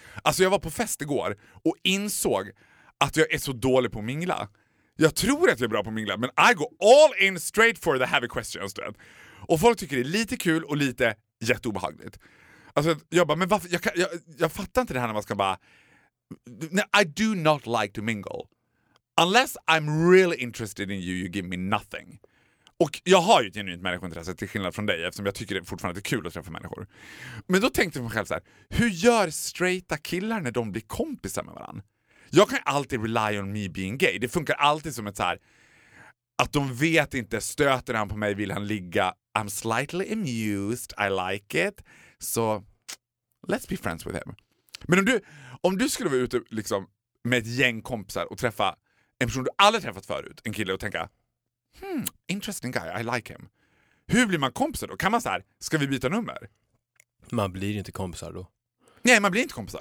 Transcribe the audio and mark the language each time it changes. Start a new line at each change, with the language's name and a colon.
Swedish: Alltså, jag var på fest igår och insåg att jag är så dålig på mingla. Jag tror att jag är bra på mingla, men
English: I go all in straight for the heavy questions,
Swedish: du vet. Och folk tycker det är lite kul och lite jätteobehagligt. Alltså, jag bara, men varför? Jag fattar inte det här när man ska bara...
English: I do not like to mingle. Unless I'm really interested in you, you give me nothing.
Swedish: Och jag har ju ett genuint människointresse till skillnad från dig, eftersom jag tycker det fortfarande är kul att träffa människor. Men då tänkte jag själv så här, hur gör straighta killar när de blir kompisar med varandra? Jag kan alltid
English: rely on me being gay.
Swedish: Det funkar alltid som ett så här... Att de vet inte, stöter han på mig, vill han ligga.
English: I'm slightly amused, I like it. So, let's be friends with him.
Swedish: Men om du skulle vara ute liksom med ett gäng kompisar och träffa en person du aldrig träffat förut, en kille, och tänka,
English: interesting guy, I like him.
Swedish: Hur blir man kompisar då? Kan man så här, ska vi byta nummer? Man blir inte kompisar då. Nej, man blir inte kompisar.